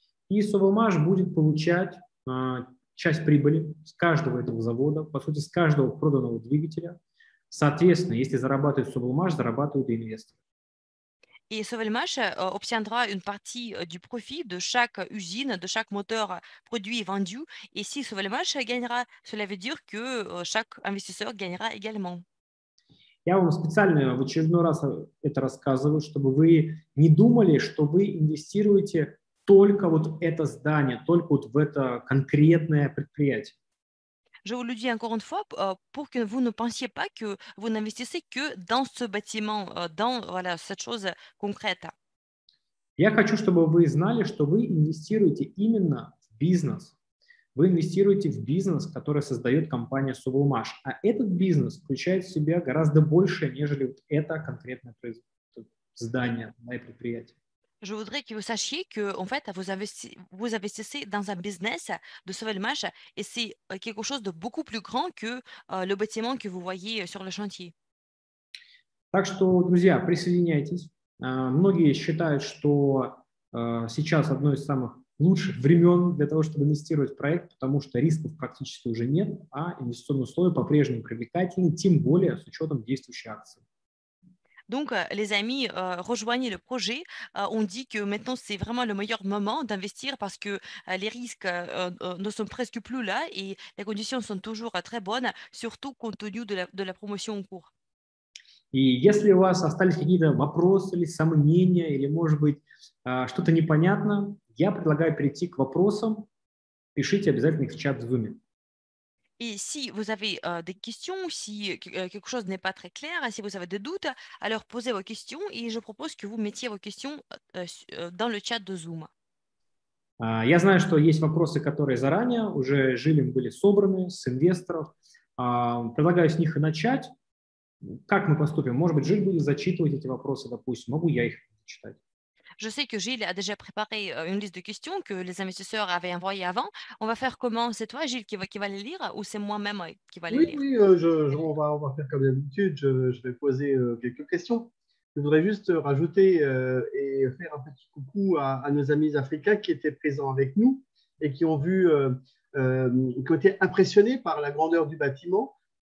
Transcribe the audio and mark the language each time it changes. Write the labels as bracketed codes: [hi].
[ru] И Sovelmash будет получать часть прибыли с каждого этого завода, по сути, с каждого проданного двигателя. Соответственно, если зарабатывает Sovelmash, зарабатывают и инвесторы. [fr] Et Sovelmash obtiendra une partie du profit de chaque usine, de chaque moteur produit et vendu. Et si Sovelmash gagnera, cela veut dire que chaque investisseur gagnera également. [ru] Я вам специально в очередной раз это рассказываю, чтобы вы не думали, что вы инвестируете только вот в это здание, только вот в это конкретное предприятие. [fr] Je vous le dis encore une fois pour que vous ne pensiez pas que vous n'investissez que dans ce bâtiment, dans voilà, cette chose concrète. [ru] Я хочу, чтобы вы знали, что вы инвестируете именно в бизнес. Вы инвестируете в бизнес, который создает компания Sovelmash. А этот бизнес включает в себя гораздо больше, нежели вот это конкретное здание, мое предприятие. [fr] Je voudrais que vous sachiez que, en fait, vous investissez dans un business de Sovelmash et c'est quelque chose de beaucoup plus grand que le bâtiment que vous voyez sur le chantier. [ru] Так что, друзья, присоединяйтесь. Многие считают, что сейчас одно из самых лучших времен для того, чтобы инвестировать в проект, потому что рисков практически уже нет, а инвестиционные условия по-прежнему привлекательны, тем более с учетом действующей акции. [fr] Donc, les amis, rejoignez le projet. On dit que maintenant, c'est vraiment le meilleur moment d'investir parce que les risques ne sont presque plus là et les conditions sont toujours très bonnes, surtout compte tenu de la promotion en cours. [ru] И если у вас остались какие-то вопросы или сомнения, или, может быть, что-то непонятно, я предлагаю перейти к вопросам. Пишите обязательно их в чат в Zoom. [fr] Et si vous avez des questions, si quelque chose n'est pas très clair, si vous avez des doutes, alors posez vos questions et je propose que vous mettiez vos questions dans le chat de Zoom. [ru] Я знаю, что есть вопросы, которые заранее уже жилим были собраны с инвесторов. Предлагаю с них и начать. Как мы поступим? Может быть, Жиль будет зачитывать эти вопросы, допустим. Могу я их читать? [fr] Je sais que Gilles a déjà préparé une liste de questions que les investisseurs avaient envoyées avant. On va faire comment? C'est toi, Gilles, qui va les lire ou c'est moi-même qui va les lire? Oui, on va faire comme d'habitude. Je vais poser quelques questions. Je voudrais juste rajouter et faire un petit coucou à nos amis africains qui étaient présents avec nous et qui ont vu, qui ont été impressionnés par la grandeur du bâtiment.